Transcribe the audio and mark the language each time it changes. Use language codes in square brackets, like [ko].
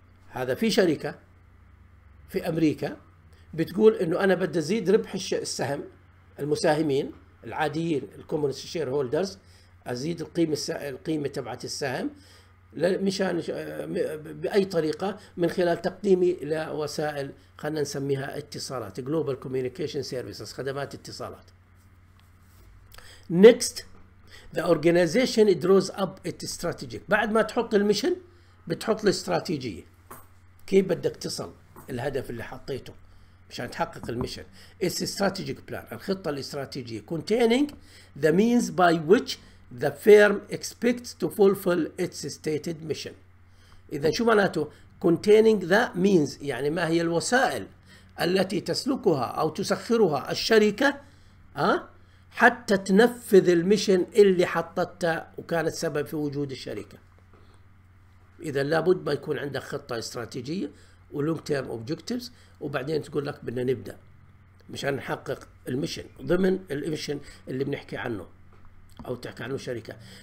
[ar] هذا في شركة في أمريكا بتقول إنه أنا بدي أزيد ربح السهم المساهمين العاديين [en] الكومن شير هولدرز، [ar] أزيد القيمة تبعت السهم مشان بأي طريقة من خلال تقديمي لوسائل خلنا نسميها اتصالات [en] global communication services [ar] خدمات اتصالات. [en] Next. The organization draws up its strategy. [ar] بعد ما تحط المشن بتحط الاستراتيجية. كيف بدك تصل الهدف اللي حطيته مشان تحقق المشن. [en] It's a strategic plan. [ar] الخطة الاستراتيجية. [en] Containing the means by which the firm expects to fulfill its stated mission. [ar] إذا شو معناته؟ [en] Containing the means [ar] يعني ما هي الوسائل التي تسلكها أو تسخرها الشركة حتى تنفذ المشن اللي حطتها وكانت سبب في وجود الشركة. إذا لابد ما يكون عندك خطة استراتيجية [en] ولونج term objectives [ar] وبعدين تقول لك بدنا نبدأ مشان نحقق المشن ضمن المشن اللي بنحكي عنه أو تحكي عنه الشركة.